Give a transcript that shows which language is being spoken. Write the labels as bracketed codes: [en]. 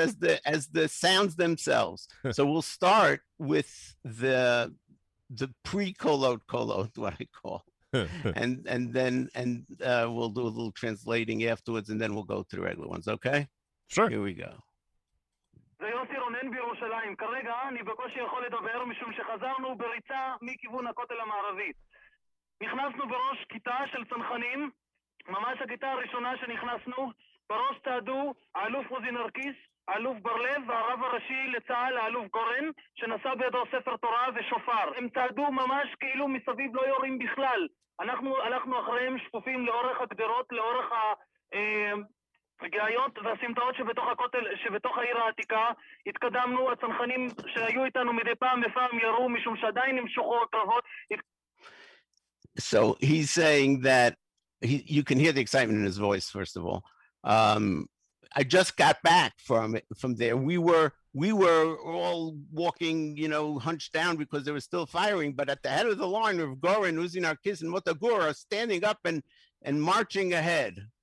[en] as the sounds themselves. So we'll start with the pre-kolot, what I call. and then we'll do a little translating afterwards, and then we'll go to the regular ones, okay? Sure. Here we go. [he] זה יוסי רונן בירושלים. כרגע אני בקושי יכול לדבר משום שחזרנו בריצה מכיוון הכותל המערבי. נכנסנו בראש כיתה של צנחנים, ממש הכיתה הראשונה שנכנסנו, בראש תעדו האלוף רוזי נרקיס, האלוף ברלב והרב הראשי לצהל, האלוף גורן, שנשא בידו ספר תורה ושופר. הם תעדו ממש כאילו מסביב לא יורים בכלל. אנחנו הלכנו אחריהם שפופים לאורך הגדרות, לאורך הגאיות והסמטאות שבתוך הכותל, שבתוך העיר העתיקה. התקדמנו, הצנחנים שהיו איתנו מדי פעם לפעם ירו, משום שעדיין נמשכו הקרבות. [en] So he's saying that you can hear the excitement in his voice, first of all. I just got back from there. We were all walking, you know, hunched down because there was still firing. But at the head of the line of Goren, Uzi Narkis, and Motagur are standing up and marching ahead.